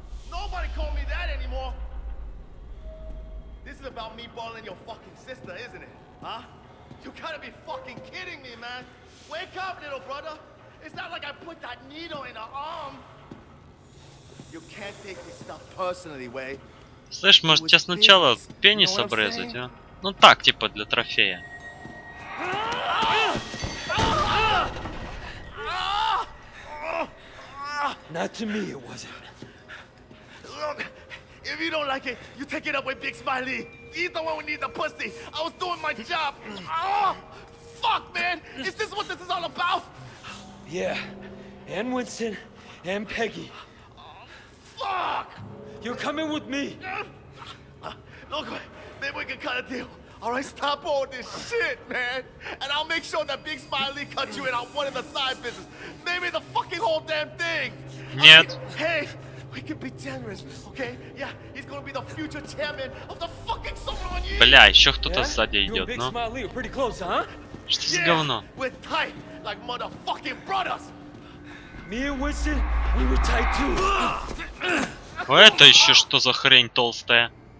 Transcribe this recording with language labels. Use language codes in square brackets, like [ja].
[en] Nobody called me that anymore. This is about me balling your fucking sister, isn't it? Huh? You gotta be fucking kidding me, man. Wake up, little brother. It's not like I put that needle in her arm. You can't take this stuff personally, Way. [ru] Слышь, может тебя сначала пенис обрезать, а? Ну так, типа для трофея. [en] Not to me, it wasn't. Look, if you don't like it, you take it up with Big Smiley. He's the one who needs the pussy. I was doing my job. Oh, fuck, man. Is this what this is all about? Yeah. And Winston and Peggy. Oh, fuck! You're coming with me. Look, maybe we can cut a deal. All right, stop all this shit, man. And I'll make sure that Big Smiley cuts you in on one of the side business. Maybe the fucking whole damn thing. [ru] Нет. [en] Hey, we can be generous, okay? Yeah, he's gonna be the future chairman of the fucking Solomon Union. [ru] Бля, еще кто-то сзади идет, ну. [en] You and Big Smiley are pretty close, huh? [ru] Что за говно? [en] We're tight, like motherfucking brothers. Me and Winston, we were tight too. [ru] А это еще что за хрень толстая?